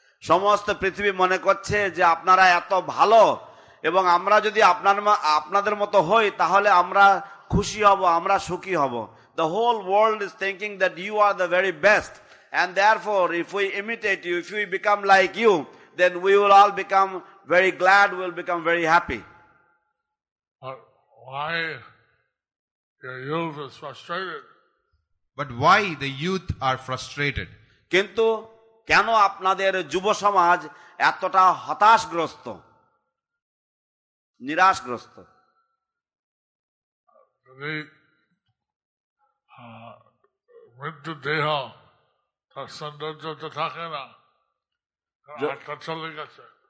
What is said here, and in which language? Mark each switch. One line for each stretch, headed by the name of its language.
Bangla: সমস্ত পৃথিবী মনে করছে যে আপনারা এত ভালো এবং আমরা যদি আপনাদের মতো হই তাহলে আমরা খুশি হব, আমরা সুখী হব.
English: The whole world is thinking that you are the very best and therefore if we imitate you, if we become like you, then we will all become very glad, we will become very happy. Why the youth is frustrated? But why the youth are frustrated?
Bangla: কিন্তু কেন আপনাদের যুব সমাজ এতটা হতাশগ্রস্ত, নিরাশগ্রস্ত? মৃত্যু দেহ তার সৌন্দর্য তো থাকে না, চলে গেছে.